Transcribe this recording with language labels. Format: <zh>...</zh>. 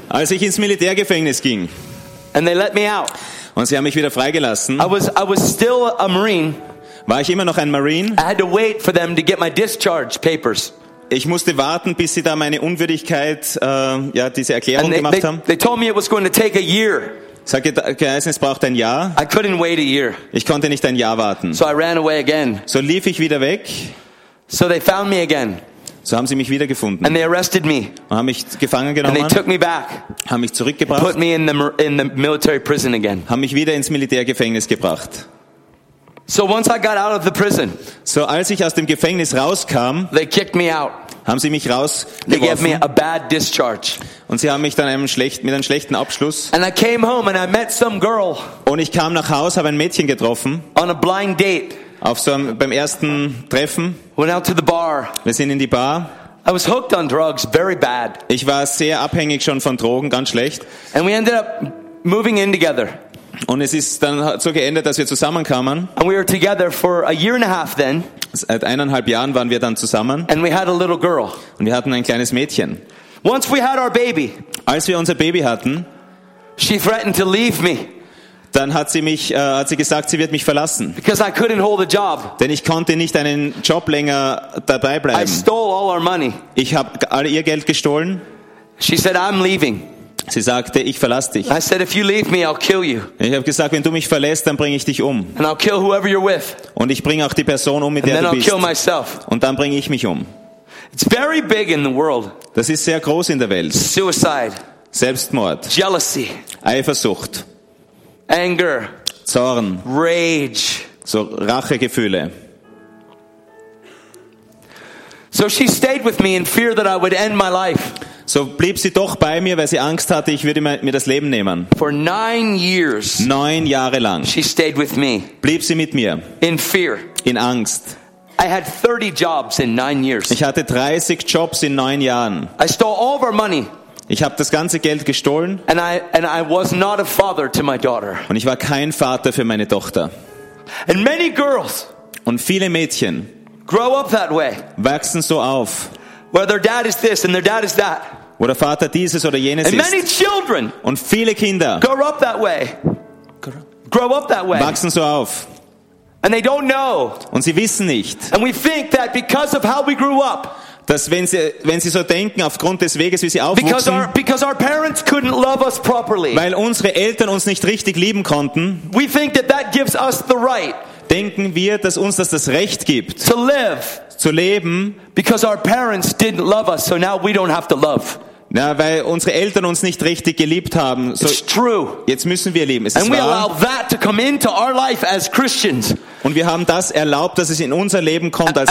<de>als ich ins Militärgefängnis ging,</de> <en>and they let me out,</en> <de>und sie haben mich wieder freigelassen,</de> <en>I was still a Marine.</en> <de>War ich immer noch ein Marine?</de> <en>I had to wait for them to get my discharge papers.</en> <de>Ich musste warten, bis sie da meine Unwürdigkeit, ja, diese Erklärung</de> <en>and they,</en> <de>gemacht</de> <en>they,</en> <de>haben.</de> <en>They told me it was going to take a year.</en> <de>Es braucht ein Jahr.</de> <en>I couldn't wait a year.</en> <de>Ich konnte nicht ein Jahr warten.</de> <en>So I ran away again.</en> <de>So lief ich wieder weg.</de> <en>So they found me again.</en> <de>So haben sie mich wiedergefunden.</de> <en>And they arrested me.</en> <de>Und haben mich gefangen genommen.</de> <en>And they took me back.</en> <de>Haben mich zurückgebracht.</de> <en>Put me in the military prison again.</en> <de>Haben mich wieder ins Militärgefängnis gebracht.</de> <en>So once I got out of the prison,</en> <de>so als ich aus dem Gefängnis rauskam,</de> <en>they kicked me out.</en> <de>Haben sie mich rausgeworfen.</de> <en>They gave me a bad discharge.</en> <de>Und sie haben mich dann mit einem schlechten Abschluss.</de> <en>And I came home and I met some girl.</en> <de>Und ich kam nach Hause, habe ein Mädchen getroffen.</de> <en>On a blind date.</en> <de>Auf so einem, beim ersten Treffen.</de> <en>Went out to the bar.</en> <de>Wir sind in die Bar.</de> <en>I was hooked on drugs, very bad.</en> <de>Ich war sehr abhängig schon von Drogen, ganz schlecht.</de> <en>And we ended up moving in together.</en> <de>Und es ist dann so geendet, dass wir zusammenkamen.</de> <en>And we were together for a year and a half then.</en> <de>Seit eineinhalb Jahren waren wir dann zusammen.</de> <en>And we had a little girl.</en> <de>Und wir hatten ein kleines Mädchen.</de> <en>Once we had our baby,</en> <de>als wir unser Baby hatten,</de> <en>she threatened to leave me.</en> <de>Dann hat sie mich, hat sie gesagt, sie wird mich verlassen.</de> <en>Because I couldn't hold a job.</en> <de>Denn ich konnte nicht einen Job länger dabei bleiben.</de> <en>I stole all our money.</en> <de>Ich habe all ihr Geld gestohlen.</de> <en>She said, I'm leaving.</en> <de>Sie sagte, ich verlasse dich.</de> <en>I said, if you leave me, I'll kill you.</en> <de>Ich habe gesagt, wenn du mich verlässt, dann bringe ich dich um.</de> <en>And I'll kill whoever you're with.</en> <de>Und ich bringe auch die Person um, mit</de> <en>And</en> <de>der</de> <en>then</en> <de>du</de> <en>I'll</en> <de>bist.</de> <en>Kill myself.</en> <de>Und dann bringe ich mich um.</de> <en>It's very big in the world.</en> <de>Das ist sehr groß in der Welt.</de> <en>Suicide.</en> <de>Selbstmord.</de> <en>Jealousy.</en> <de>Eifersucht.</de> <en>Anger.</en> <de>Zorn.</de> <en>Rage.</en> <de>So Rachegefühle.</de> <en>So she stayed with me in fear that I would end my life.</en> <de>So blieb sie doch bei mir, weil sie Angst hatte, ich würde mir das Leben nehmen.</de> <en>For 9 years.</en> <de>9 Jahre lang.</de> <en>She stayed with me.</en> <de>Blieb sie mit mir.</de> <en>In fear.</en> <de>In Angst.</de> <en>I had 30 jobs in 9 years.</en> <de>Ich hatte 30 Jobs in 9 Jahren.</de> <en>I stole all of our money.</en> <de>Ich habe das ganze Geld gestohlen.</de> <en>And I was not a father to my daughter.</en> <de>Und ich war kein Vater für meine Tochter.</de> <en>And many girls.</en> <de>Und viele Mädchen.</de> <en>Grow up that way.</en> <de>Wachsen so auf.</de> <en>Where their dad is this and their dad is that.</en> <de>Wo der Vater dieses oder jenes ist.</de> <en>And many children.</en> <de>Und viele Kinder.</de> <en>Grow up that way. Grow up that way.</en> <de>Wachsen so auf.</de> <en>And they don't know.</en> <de>Und sie wissen nicht.</de> <en>And we think that because of how we grew up.</en> <de>Dass wenn sie so denken, aufgrund des Weges, wie sie aufwuchsen,</de> <en>because our parents couldn't love us properly.</en> <de>Weil unsere Eltern uns nicht richtig lieben konnten,</de> <en>we think that that gives us the right.</en> <de>Denken wir, dass uns das das Recht gibt,</de> <en>to live.</en> <de>Zu leben,</de> <en>because our parents didn't love us, so now we don't have to love.</en> <de>Na, weil unsere Eltern uns nicht richtig geliebt haben, so</de> <en>it's true.</en> <de>Jetzt müssen wir lieben. Es</de> <en>and</en> <de>ist</de> <en>we</en> <de>wahr.</de> <en>Allow that to come into our life as Christians.</en> <de>Und wir haben das erlaubt, dass es in unser Leben kommt als</de>